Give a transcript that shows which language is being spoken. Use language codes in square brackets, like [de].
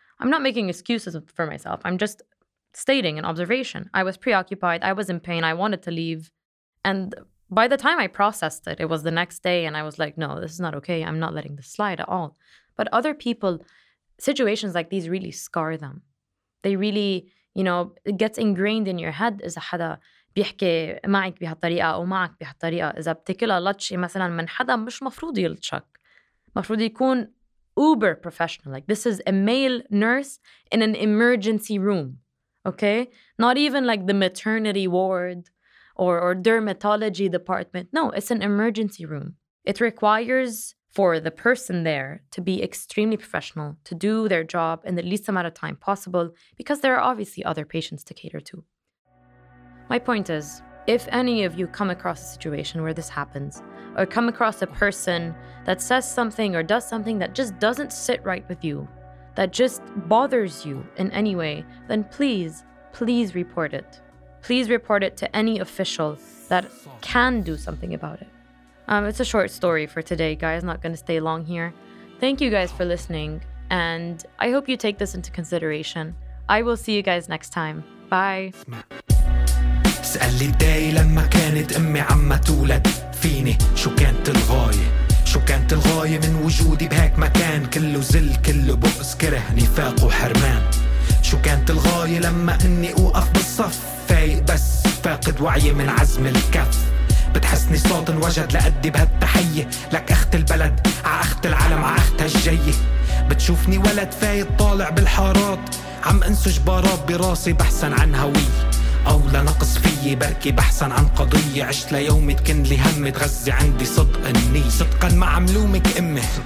[en] I'm not making excuses for myself. I'm just stating an observation. I was preoccupied. I was in pain. I wanted to leave. And by the time I processed it, it was the next day. And I was like, no, this is not okay. I'm not letting this slide at all. But other people, situations like these really scar them. They really, you know, it gets ingrained in your head. [ar] إذا حدا بيحكي معك بهالطريقة أو معك بهالطريقة إذا بتكلها لطشي مثلا من حدا مش مفروض يلطشك مفروض يكون [en] uber professional. Like, this is a male nurse in an emergency room. Okay? Not even like the maternity ward or dermatology department. No, it's an emergency room. It requires for the person there to be extremely professional, to do their job in the least amount of time possible, because there are obviously other patients to cater to. My point is, if any of you come across a situation where this happens, or come across a person that says something or does something that just doesn't sit right with you, that just bothers you in any way, then please, please report it. Please report it to any official that can do something about it. It's a short story for today, guys. Not going to stay long here. Thank you guys for listening, and I hope you take this into consideration. I will see you guys next time. Bye. [ar] سألي داي لما كانت أمي عم تولد فيني شو كانت الغاية شو كانت الغاية من وجودي بهيك مكان كله زل كله بؤس كره نفاق وحرمان شو كانت الغاية لما أني أوقف بالصف فايق بس فاقد وعي من عزم الكف بتحسني صوت انوجد لأدي بهالتحية لك أخت البلد ع أخت العالم ع أختها الجاية بتشوفني ولد فايق طالع بالحارات عم أنسج براب براسي بحسن عن هوي أو لنقص فيي بركي بحسن عن قضية عشت ليومي تكن لي هم تغزي عندي صدق أني صدقا ما عملومك أمه